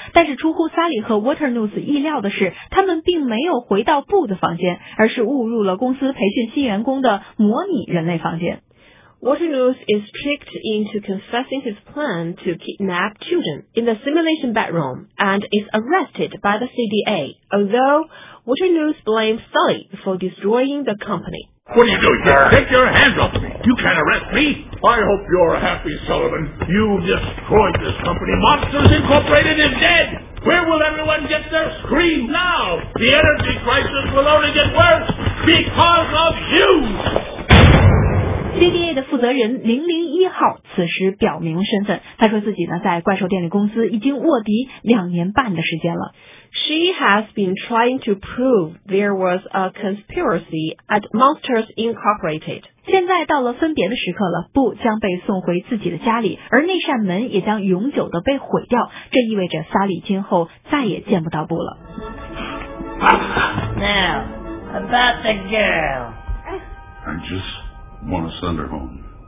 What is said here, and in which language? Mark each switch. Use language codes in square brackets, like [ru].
[zh] 但是出乎萨里和 Waternoose 意料的是，他们并没有回到布的房间，而是误入了公司培训新员工的模拟人类房间。 [en] Waternoose is tricked into confessing his plan to kidnap children in the simulation bedroom and is arrested by the CDA, although Waternoose blames Sully for destroying the company. What are you doing here? Take your hands off me. You can't arrest me. I hope you're happy, Sullivan. You've destroyed this company. Monsters Incorporated is dead. Where will everyone get their scream now? The energy crisis will only get worse because of you. [zh] CDA 的负责人001号此时表明身份，他说自己呢在怪兽电力公司已经卧底2.5年的时间了。 [en] She has been trying to prove there was a conspiracy at Monsters Incorporated. [zh] 现在到了分别的时刻了，布将被送回自己的家里，而那扇门也将永久的被毁掉，这意味着萨里今后再也见不到布了。 [en] Now, about the girl. I just want to send her home.